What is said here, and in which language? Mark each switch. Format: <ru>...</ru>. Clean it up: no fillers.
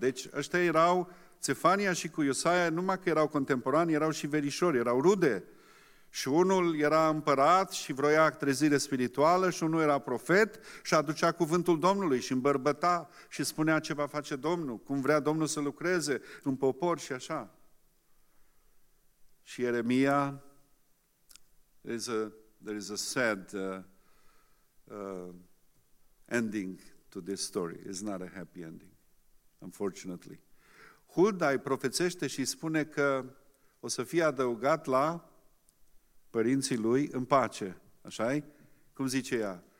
<ro>Deci ăștia erau, Țefania și cu Iosia, numai că erau contemporani, erau și verișori, erau rude. Și unul era împărat și vroia trezire spirituală și unul era profet și aducea cuvântul Domnului și îmbărbăta și spunea ce va face Domnul, cum vrea Domnul să lucreze în popor și așa. Și</ro> <en>Ieremia, there is a sad ending to this story. It's not a happy ending, unfortunately.</en> <ro>Hulda îi profețește și spune că o să fie adăugat la părinții lui în pace. Așa-i? Cum zice ea?</ro>